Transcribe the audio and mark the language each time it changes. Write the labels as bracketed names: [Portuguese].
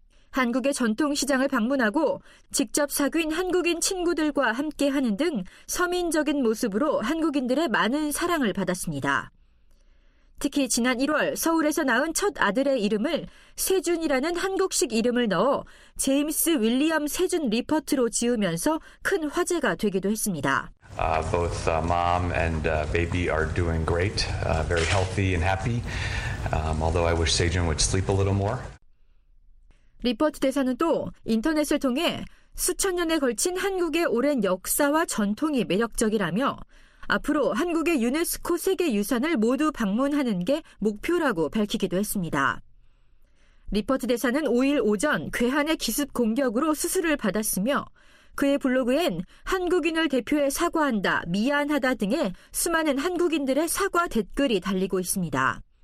[Korean] 한국의 전통시장을 방문하고 직접 사귄 한국인 친구들과 함께하는 등 서민적인 모습으로 한국인들의 많은 사랑을 받았습니다. 특히 지난 1월 서울에서 낳은 첫 아들의 이름을 세준이라는 한국식 이름을 넣어 제임스 윌리엄 세준 리퍼트로 지으면서 큰 화제가 되기도 했습니다. [English] Both mom and baby are doing great, very healthy and happy. Although I wish Sejun would sleep a little more. [Korean] 리퍼트 대사는 또 인터넷을 통해 수천 년에 걸친 한국의 오랜 역사와 전통이 매력적이라며 앞으로 한국의 유네스코 세계유산을 모두 방문하는 게 목표라고 밝히기도 했습니다. 리퍼트 대사는 5일 오전 괴한의 기습 공격으로 수술을 받았으며 그의 블로그엔 한국인을 대표해 사과한다, 미안하다 등의 수많은 한국인들의 사과 댓글이 달리고 있습니다.